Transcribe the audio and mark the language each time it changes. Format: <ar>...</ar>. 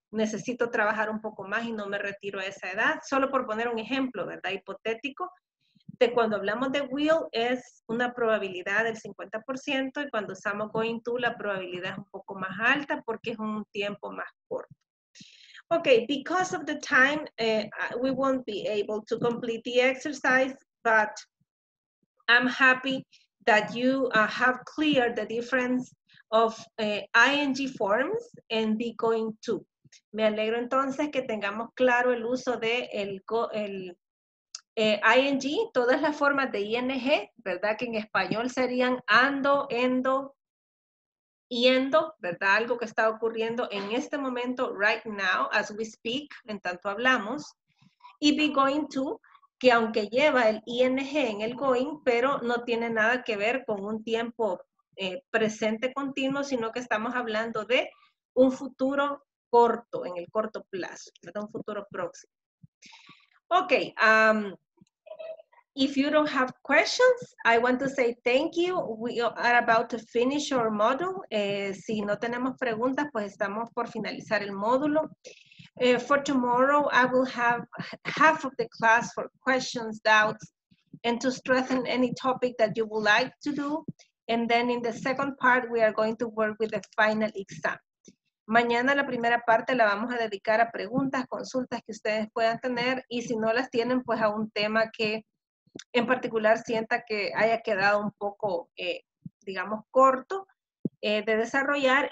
<es>Necesito trabajar un poco más y no me retiro a esa edad. Solo por poner un ejemplo, ¿verdad? Hipotético. De cuando hablamos de will es una probabilidad del 50% y cuando usamos going to la probabilidad es un poco más alta porque es un tiempo más corto.</es> <en>Ok, because of the time, we won't be able to complete the exercise, but I'm happy that you have cleared the difference of ing forms and be going to.</en> <es>Me alegro entonces que tengamos claro el uso de el ing, todas las formas de ing, ¿verdad? Que en español serían ando, endo, yendo, ¿verdad? Algo que está ocurriendo en este momento,</es> <en>right now, as we speak,</en> <es>en tanto hablamos. Y be going to, que aunque lleva el ing en el going, pero no tiene nada que ver con un tiempo presente continuo, sino que estamos hablando de un futuro corto, en el corto plazo, ¿verdad? Un futuro próximo.</es> <en>Ok, if you don't have questions, I want to say thank you. We are about to finish our module.</en> <es>Si no tenemos preguntas, pues estamos por finalizar el módulo.</es> <en>For tomorrow, I will have half of the class for questions, doubts, and to strengthen any topic that you would like to do. And then in the second part, we are going to work with the final exam.</en> <es>Mañana la primera parte la vamos a dedicar a preguntas, consultas que ustedes puedan tener y si no las tienen, pues a un tema que en particular sienta que haya quedado un poco, digamos, corto de desarrollar.</es>